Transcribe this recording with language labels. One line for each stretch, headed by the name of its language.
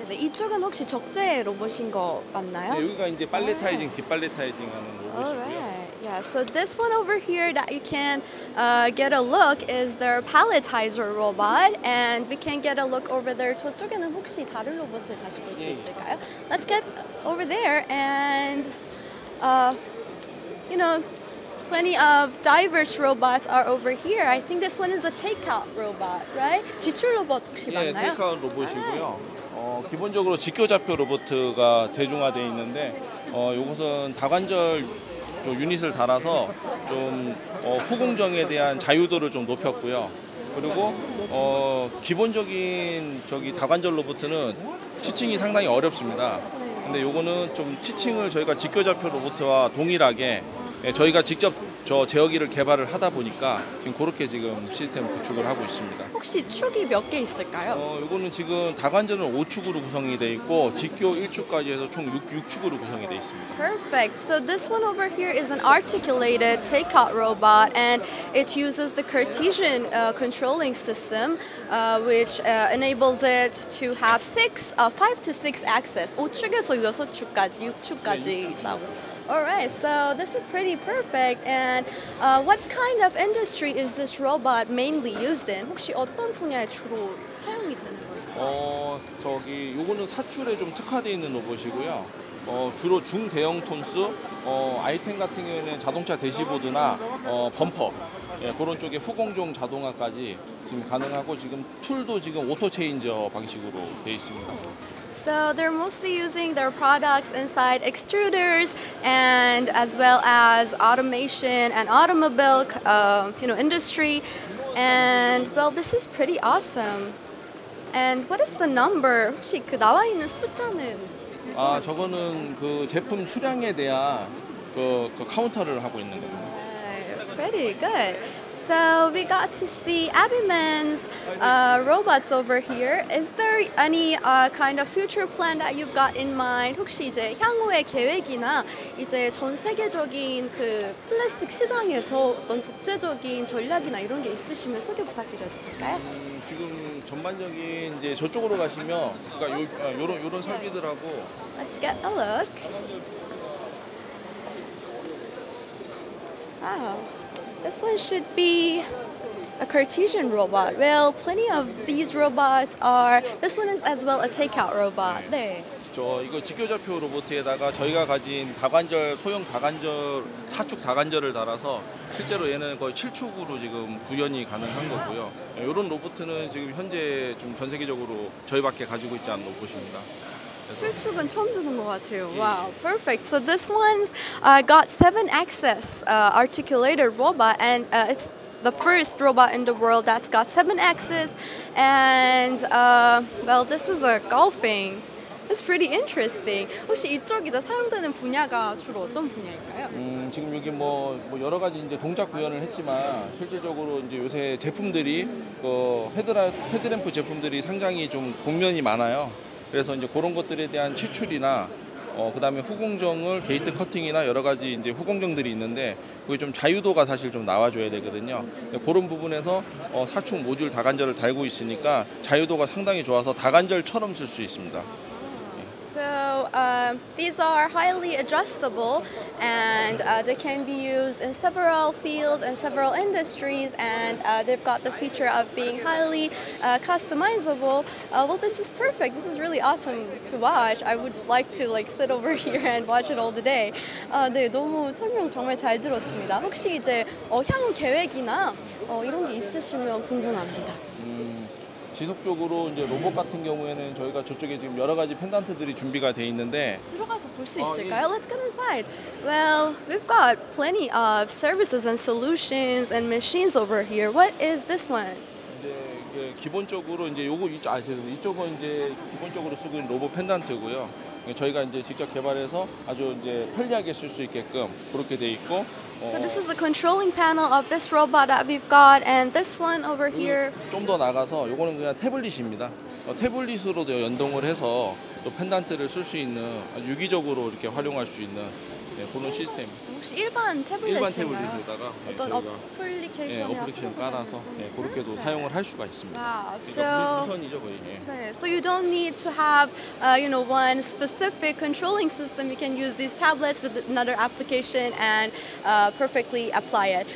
Korean: 네, 이쪽은 혹시 적재 로봇인 거 맞나요? 네, 여기가 이제 팔레타이징, 딥팔레타이징 하는 로봇이고요.
English: Yeah, so this one over here that you can get a look is their palletizer robot, and we can get a look over there.
Korean: 저쪽에는 혹시 다른 로봇을 다시 볼 수 있을까요?
English: Let's get over there, and you know, plenty of diverse robots are over here. I think this one is a takeout robot, right?
Korean: 취출로봇 혹시 맞나요? 네, 테이크아웃 로봇이고요. 기본적으로 직교좌표 로봇가 대중화되어 있는데, 이것은 다관절 유닛을 달아서 좀 후공정에 대한 자유도를 좀 높였고요. 그리고 기본적인 저기 다관절 로봇은 티칭이 상당히 어렵습니다. 근데 요거는 좀 티칭을 저희가 직교좌표 로봇과 동일하게 저희가 직접 저 제어기를 개발을 하다 보니까 지금 그렇게 지금 시스템 구축을 하고 있습니다. 혹시 축이 몇 개 있을까요? 이거는 지금 다관절은 5축으로 구성이 되어 있고 직교 1축까지 해서 총 6축으로 구성이 되어 있습니다.
English: Perfect. So this one over here is an articulated takeout robot, and it uses the Cartesian controlling system, which enables it to have 5 to 6 axes.
Korean: 5축에서 6축까지, 6축까지. 네,
English: Alright, so this is pretty perfect. And what kind of industry is this robot mainly used in?
Korean: 혹시 어떤 분야에 주로 사용이 되는 건가요? 저기 요거는 사출에 좀 특화되어 있는 로봇이고요. 주로 중대형 톤수 아이템 같은 경우에는 자동차 대시보드나 범퍼, 예, 그런 쪽에 후공정 자동화까지 지금 가능하고 지금 툴도 지금 오토 체인저 방식으로 되어 있습니다.
English: So they're mostly using their products inside extruders and as well as automation and automobile industry. And well, this is pretty awesome. And what is the number?
Korean: 혹시 그 나와 있는 숫자는? 저거는 그 제품 수량에 대한 그 카운터를 하고 있는 겁니다.
English: Pretty good. So we got to see Aviman's robots over here. Is there any kind of future plan that you've got in mind?
Korean: 혹시 이제 향후의 계획이나 이제 전 세계적인 그 플라스틱 시장에서 어떤 독재적인 전략이나 이런 게 있으시면 소개 부탁드려도 될까요? 지금 전반적인 이제 저쪽으로 가시면 그러니까 요런 설비들하고
English: Let's get a look. Wow. This one should be a Cartesian robot. Well, plenty of these robots are. This one is as well a takeout robot.
Korean: 네. 저 이거 직교좌표 로봇에다가 저희가 가진 다관절 소형 다관절 사축 다관절을 달아서 실제로 얘는 거의 7축으로 지금 구현이 가능한 거고요. 이런 로봇은 지금 현재 좀 전 세계적으로 저희밖에 가지고 있지 않은 로봇입니다. 7축은 처음 듣는 것 같아요.
English: Yeah. Wow, perfect. So this one's got 7-axis articulated robot, and it's the first robot in the world that's got 7 axes. And well, this is a golfing. It's pretty interesting.
Korean: 혹시 이쪽 이제 사용되는 분야가 주로 어떤 분야일까요? 지금 여기 뭐 여러 가지 이제 동작 구현을 했지만 실제적으로 이제 요새 제품들이 그 헤드램프 제품들이 상당히 좀 국면이 많아요. 그래서 이제 그런 것들에 대한 취출이나 그다음에 후공정을 게이트 커팅이나 여러 가지 이제 후공정들이 있는데 그게 좀 자유도가 사실 좀 나와줘야 되거든요. 그런 부분에서 사축 모듈 다관절을 달고 있으니까 자유도가 상당히 좋아서 다관절처럼 쓸 수 있습니다.
English: So these are highly adjustable and they can be used in several fields and several industries and they've got the feature of being highly customizable. Well, this is perfect. This is really awesome to watch. I would like to like sit over here and watch it all the day.
Korean: 네, 너무 설명 정말 잘 들었습니다. 혹시 이제 향후 계획이나 이런 게 있으시면 궁금합니다. 지속적으로 이제 로봇 같은 경우에는 저희가 저쪽에 지금 여러 가지 펜던트들이 준비가 돼 있는데 들어가서 볼 수 있을까요?
English: Let's come inside. Well, we've got plenty of services and solutions and machines over here. What is this one?
Korean: 이제 기본적으로 이제 요거 이쪽은 이제 기본적으로 쓰고 있는 로봇 펜던트고요. 저희가 이제 직접 개발해서 아주 이제 편리하게 쓸 수 있게끔 그렇게 돼 있고.
English: So this is the controlling panel of this robot that we've got, and this one over here.
Korean: 좀 더 나가서 이거는 그냥 태블릿입니다. 태블릿으로 연동을 해서 또 펜던트를 쓸 수 있는 유기적으로 이렇게 활용할 수 있는 그런 시스템. 혹시 일반 태블릿인가요? 일반 태블릿에다가 어떤 어플리케이션이나 어플리케이션 깔아서 그렇게도 사용을 할 수가 있습니다. 그러니까 무선이죠, 거의.
English: So you don't need to have, you know, one specific controlling system. You can use these tablets with another application and perfectly apply it.